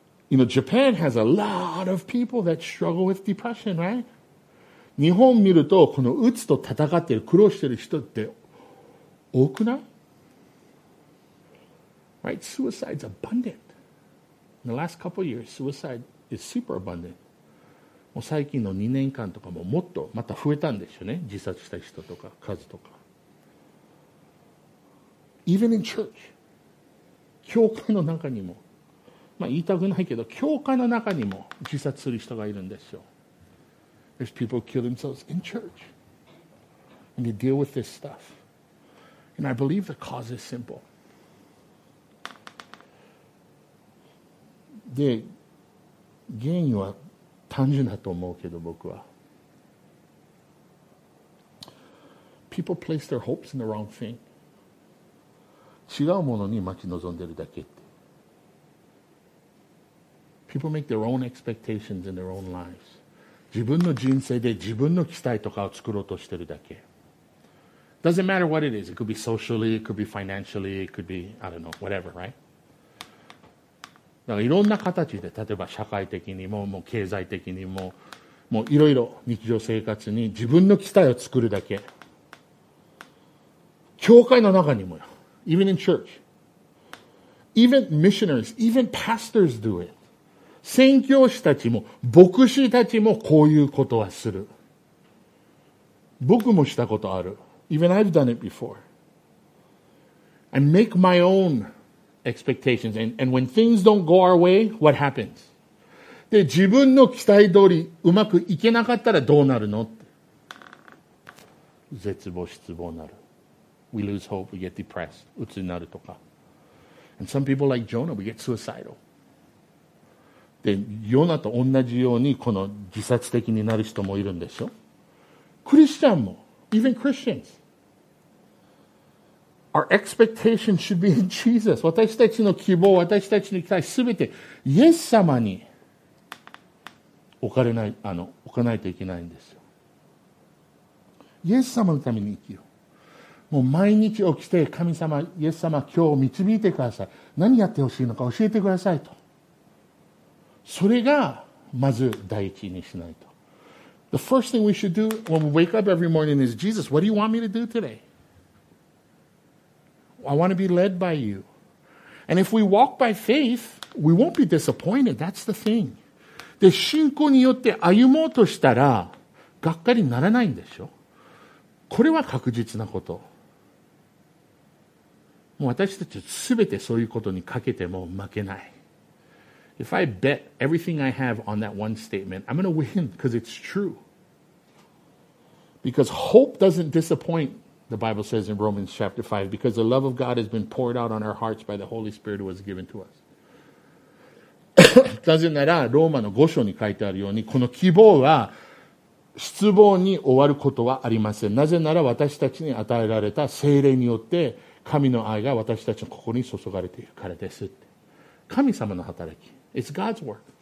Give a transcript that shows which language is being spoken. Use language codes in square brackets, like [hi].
[en] You know, Japan has a lot of people that struggle with depression, right? [ja] 日本見るとこの鬱と戦ってる苦労してる人って多くない？ [en] Right, suicide is abundant. In the last couple of years, suicide is super abundant. [ja] もう最近の2年間とかももっとまた増えたんでしょうね。自殺した人とか数とか。 [en] Even in church, [ja] 教会の中にも、まあ言いたくないけど、教会の中にも自殺する人がいるんですよ。 [en] There's people who kill themselves in church, and they deal with this stuff. And I believe the cause is simple. [ja] で原因は単純だと思うけど、僕は [en] People place their hopes in the wrong thing. [ja] 違うものに待ち望んでるだけって。 [en] People make their own expectations in their own lives. [ja] 自分の人生で自分の期待とかを作ろうとしてるだけ。 [en] Doesn't matter what it is. It could be socially, it could be financially, it could be, I don't know, whatever, right? [ja] だからいろんな形で、例えば社会的にも、もう経済的にも、もういろいろ日常生活に自分の期待を作るだけ。教会の中にもよ。 [en] Even in church. Even missionaries, even pastors do it. [ja] 宣教師たちも、牧師たちもこういうことはする。僕もしたことある。 [en] Even I've done it before. I make my own. Expectations and when things don't go our way, what happens? [ja] で自分の期待通りうまくいけなかったらどうなるのって。絶望失望になる。 [en] We lose hope, we get depressed. [ja] 鬱になるとか。 [en] And some people like Jonah, we get suicidal. [ja] でヨナと同じようにこの自殺的になる人もいるんでしょ。クリスチャンも、 [en] even Christians. Our expectation should be in Jesus. [ja] 私たちの希望、私たちの期待、すべてイエス様に置かないといけないんですよ。イエス様のために生きよう。もう毎日起きて、神様、イエス様、今日導いてください。何やってほしいのか教えてくださいと。それがまず第一にしないと。 [en] The first thing we should do when we wake up every morning is, Jesus, what do you want me to do today? I want to be led by you. And if we walk by faith, we won't be disappointed. That's the thing. [ja] で、信仰によって歩もうとしたら、がっかりにならないんでしょ。これは確実なこと。もう私たちは全てそういうことにかけても負けない。 [en] If I bet everything I have on that one statement, I'm going to win because it's true. Because hope doesn't disappoint. The Bible says in Romans chapter 5, because the love of God has been poured out on our hearts by the Holy Spirit who was given to us. [ja] なぜなら、ローマの5章に書いてあるように、この希望は失望に終わることはありません。なぜなら、私たちに与えられた聖霊によって、神の愛が私たちの心に注がれているからです。神様の働き。 [en] It's God's work.